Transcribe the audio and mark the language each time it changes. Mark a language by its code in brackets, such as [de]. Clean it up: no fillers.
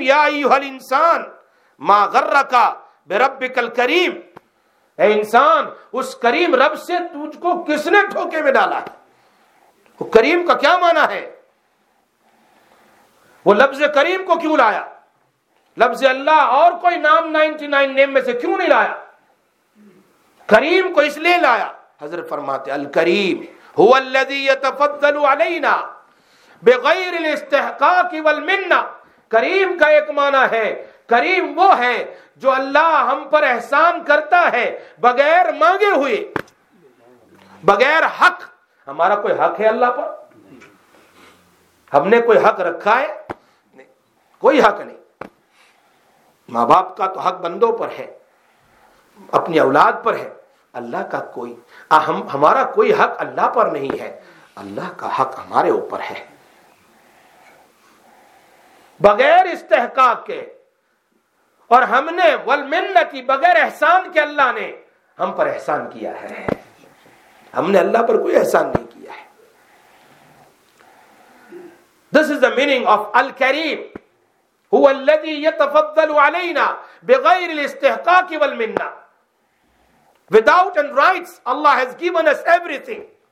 [ar] یا ایھا الانسان ما غرک بربک الکریم, [ur] اے انسان اس کریم رب سے تجھ کو کس نے ٹھوکے میں ڈالا ہے؟ وہ کریم کا کیا معنی ہے؟ وہ لفظ کریم کو کیوں لایا؟ لفظ اللہ اور کوئی نام 99 نیم میں سے کیوں نہیں لایا؟ کریم کو اس لیے لایا. حضرت فرماتے [ar] الکریم هو الذي يتفضل علينا بغير الاستحقاق والمنة. [ur] کریم کا ایک معنی ہے, کریم وہ ہے جو اللہ ہم پر احسان کرتا ہے بغیر مانگے ہوئے, بغیر حق. ہمارا کوئی حق ہے اللہ پر؟ ہم نے کوئی حق رکھا ہے؟ کوئی حق نہیں. ماں باپ کا تو حق بندوں پر ہے, اپنی اولاد پر ہے, اللہ کا کوئی ہمارا کوئی حق اللہ پر نہیں ہے, اللہ کا حق ہمارے اوپر ہے. بغیر استحقاق کے, اور ہم نے والمنت کی, بغیر احسان کے اللہ نے ہم پر احسان کیا ہے, ہم نے اللہ پر کوئی احسان نہیں کیا ہے. [en] This is the meaning of [ar] الکریم هو الذي يتفضل علينا بغير الاستحقاق والمنة. [en] Without and rights, Allah has given us everything.